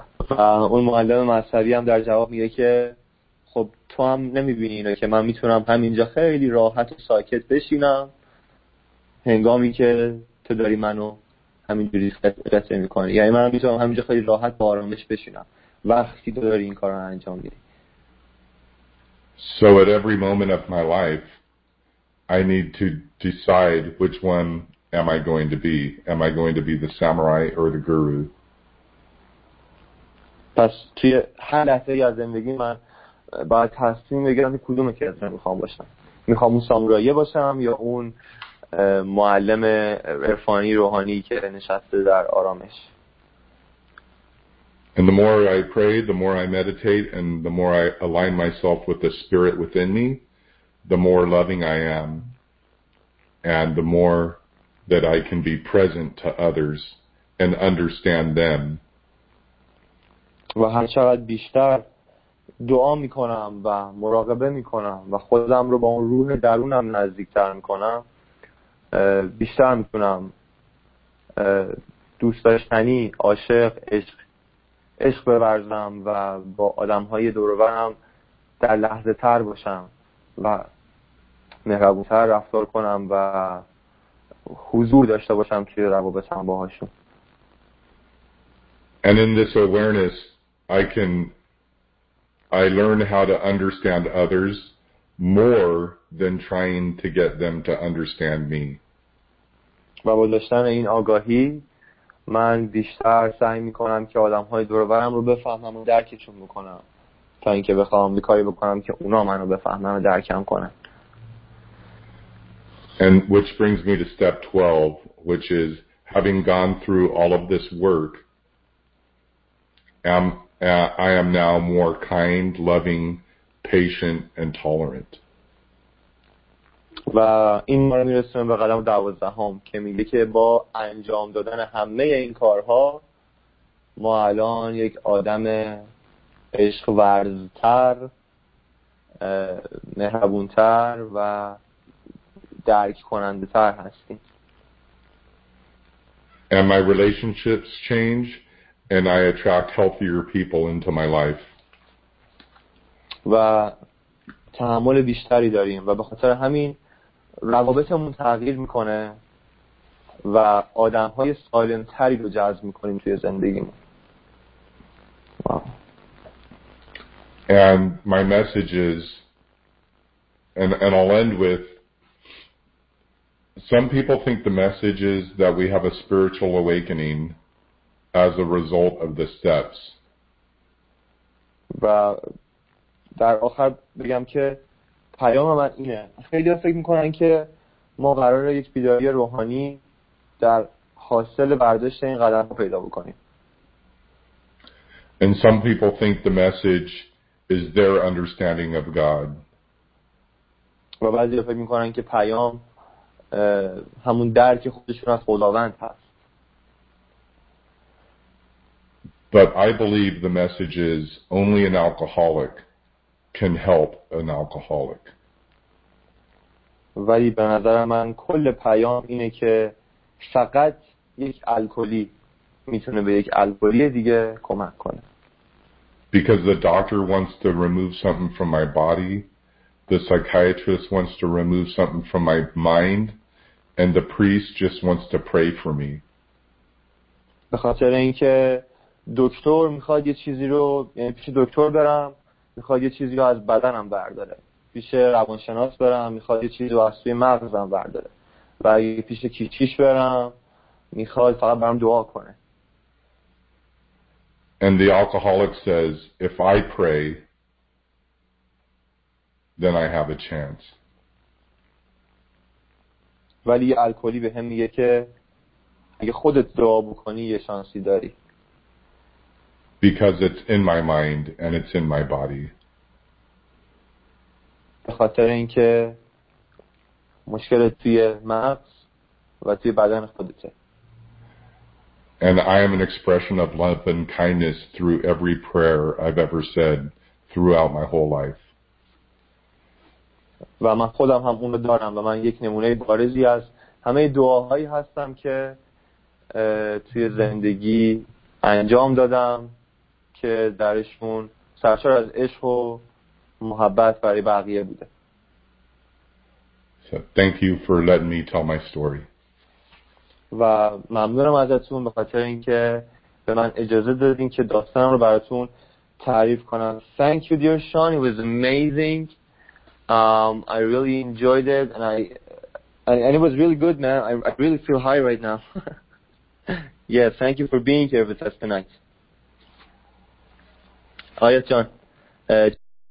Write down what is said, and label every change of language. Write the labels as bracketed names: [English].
[Persian] و اون معلم مذهبی هم در جواب میگه که خب تو هم نمیبینی اینو که من میتونم همینجا خیلی راحت و ساکت بشینم هنگامی که تو داری منو همینجوری قصه میکنی، یعنی من میتونم همینجا خیلی راحت با آرامش بشینم وقتی تو داری این کار رو انجام میدی. [English] So at every moment of my life I need to decide which one am I going to be. Am I going to be the samurai or the guru? [Persian] پس توی هر لحظه از زندگی من باید تصمیم بگیرم کدومه که از من میخوام باشم. میخوام اون سامورایی باشم یا اون معلم عرفانی روحانی که نشسته در آرامش. [English] And the more I pray, the more I meditate, and the more I align myself with the spirit within me, the more loving I am, and the more that I can be present to others and understand them. [Persian] و هر چقدر بیشتر دعا میکنم و مراقبه میکنم و خودم رو با اون روح درونم نزدیکتر میکنم، بیشتر میتونم دوست داشتنی، عاشق، عشق ببرزم و با آدمهای دوروبرم در لحظه تر باشم و مهربونتر رفتار کنم و حضور داشته باشم توی روابطم باهاشون. [English] And in this awareness I learn how to understand others more than trying to get them to understand me. [Persian] و با داشتن این آگاهی من بیشتر سعی میکنم که آدمهای دوروبرم رو بفهمم و درکشون بکنم تا اینکه بخوام کاری بکنم که اونا منو بفهمن و درکم کنن. [English] And which brings me to step 12, which is having gone through all of this work, I am now more kind, loving, patient, and tolerant. [Persian] و این ما رو میرسونه به قدم 12 که میگه که با انجام دادن همه این کارها ما الان یک آدم عشق ورزتر، مهربونتر و درک کننده تر هستیم. [English] And my relationships change and I attract healthier people into my life. [Persian] و تعامل بیشتری داریم و به خاطر همین روابطمون تغییر میکنه و آدمهای سالم تری رو جذب میکنیم توی زندگیمون. [English] And my message is, and I'll end with, some people think the message is that we have a spiritual awakening as a result of the steps. [Persian] و در آخر بگم که پیام من اینه، خیلی ها فکر میکنن که ما قراره یک بیداری روحانی در حاصل برداشت این قدم رو پیدا بکنیم. [English] And some people think the message is their understanding of God. [Persian] و بعضی ها فکر میکنن که پیام همون درک خودشون از خداوند هست. [English] But I believe the message is only an alcoholic can help an alcoholic. [Persian] ولی به نظر من کل پیام اینه که فقط یک الکلی میتونه به یک الکلی دیگه کمک کنه. [English] Because the doctor wants to remove something from my body, the psychiatrist wants to remove something from my mind, and the priest just wants to pray for me. [Persian] به خاطر اینکه دکتر میخواد یه چیزی رو یعنی پیش دکتر برم، میخواد یه چیزی رو از بدنم برداره. پیش روانشناس برم، میخواد یه چیزی رو از توی مغزم برداره. و اگه پیش کیچیش برم، میخواد فقط برم دعا کنه. [English] And the alcoholic says, if I pray, then I have a chance. [Persian] ولی الکلی به هم میگه که اگه خودت دعا بکنی یه شانسی داری. [English] Because it's in my mind and it's in my body. [Persian] به خاطر اینکه مشکل توی مغز و توی بدن خودته. [English] And I am an expression of love and kindness through every prayer I've ever said throughout my whole life. [Persian] و من خودم هم اون رو دارم و من یک نمونه بارزی از همه دعاهایی هستم که توی زندگی انجام دادم که درشون سرشار از عشق و محبت برای بقیه بوده. [English] So thank you for letting me tell my story. [Persian] و ممنونم ازتون به خاطر اینکه به من اجازه دادین که داستانم رو براتون تعریف کنم. [English] Thank you dear Sean, it was amazing. I really enjoyed it and it was really good, man. I really feel high right now. Yeah, thank you for being here with us tonight. آیت جان.